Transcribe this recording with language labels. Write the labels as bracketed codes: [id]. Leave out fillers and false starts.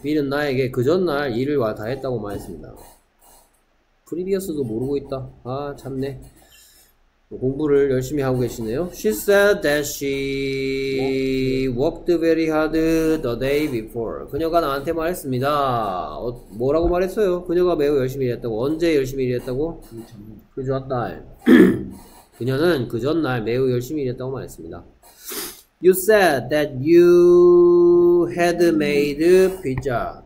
[ko] B는 나에게 그 전날 일을 다 했다고 말했습니다. previous도 모르고 있다. 아 참네. 공부를 열심히 하고 계시네요. [en] She said that she worked very hard the day before. [ko] 그녀가 나한테 말했습니다. 뭐라고 말했어요? 그녀가 매우 열심히 일했다고. 언제 열심히 일했다고? 그 전날. 그녀는 그 전날 매우 열심히 일했다고 말했습니다. [en] You said that you had made pizza.